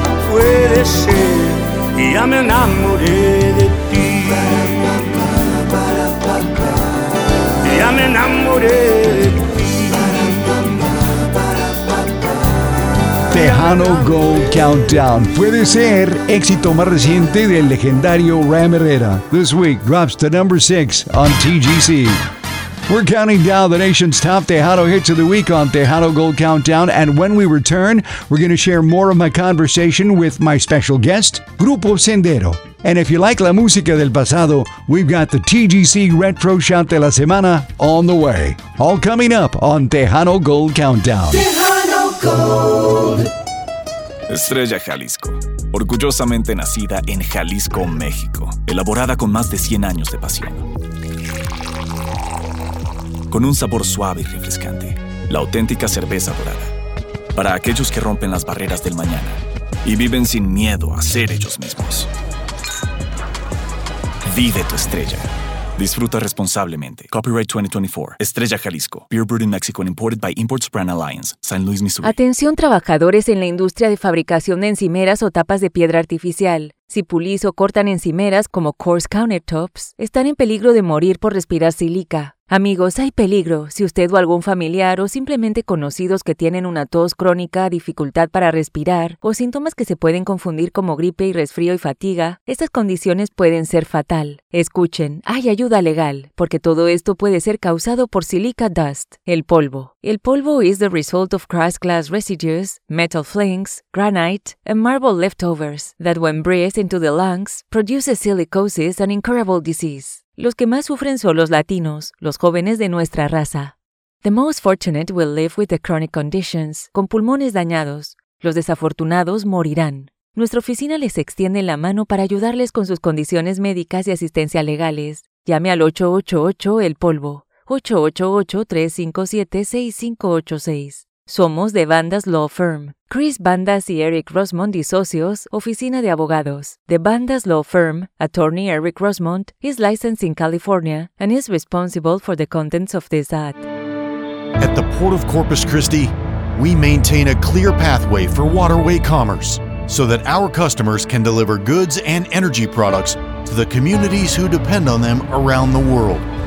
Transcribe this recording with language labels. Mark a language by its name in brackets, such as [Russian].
[Spanish] Puede ser que ya me enamoré de ti. Ya me enamoré de ti. [English] Tejano Gold Countdown. [Spanish] Puede ser éxito más reciente del legendario Ram Herrera. [English] This week drops to number 6 on TGC. We're counting down the nation's top Tejano hits of the week on Tejano Gold Countdown. And when we return, we're going to share more of my conversation with my special guest, Grupo Sendero. And if you like [Spanish] la música del pasado, [English] we've got the TGC Retro Shot de la Semana on the way. All coming up on Tejano Gold Countdown. Tejano Gold. [Spanish] Estrella Jalisco. Orgullosamente nacida en Jalisco, México. Elaborada con más de 100 años de pasión. Con un sabor suave y refrescante. La auténtica cerveza dorada. Para aquellos que rompen las barreras del mañana y viven sin miedo a ser ellos mismos. Vive tu estrella. Disfruta responsablemente. Copyright 2024. Estrella Jalisco. [English] Beer brewed in Mexico and imported by Imports Brand Alliance. San Luis, Missouri. [Spanish] Atención, trabajadores en la industria de fabricación de encimeras o tapas de piedra artificial. Si pulís o cortan encimeras como coarse countertops, están en peligro de morir por respirar sílica. Amigos, hay peligro. Si usted o algún familiar o simplemente conocidos que tienen una tos crónica, dificultad para respirar o síntomas que se pueden confundir como gripe y resfrío y fatiga, estas condiciones pueden ser fatal. Escuchen, hay ayuda legal, porque todo esto puede ser causado por silica dust, el polvo. [English] El polvo is the result of crushed glass residues, metal flakes, granite, and marble leftovers that when breathed into the lungs, produces silicosis and incurable disease. [Spanish] Los que más sufren son los latinos, los jóvenes de nuestra raza. [English] The most fortunate will live with the chronic conditions, [Spanish] con pulmones dañados. Los desafortunados morirán. Nuestra oficina les extiende la mano para ayudarles con sus condiciones médicas y asistencia legales. Llame al 888-EL-POLVO, 888-357-6586. Somos The Bandas Law Firm. Chris Bandas y Eric Rosmond y socios, oficina de abogados. [English] The Bandas Law Firm, attorney Eric Rosmond, is licensed in California and is responsible for the contents of this ad. At the Port of Corpus Christi, we maintain a clear pathway for waterway commerce so that our customers can deliver goods and energy products to the communities who depend on them around the world.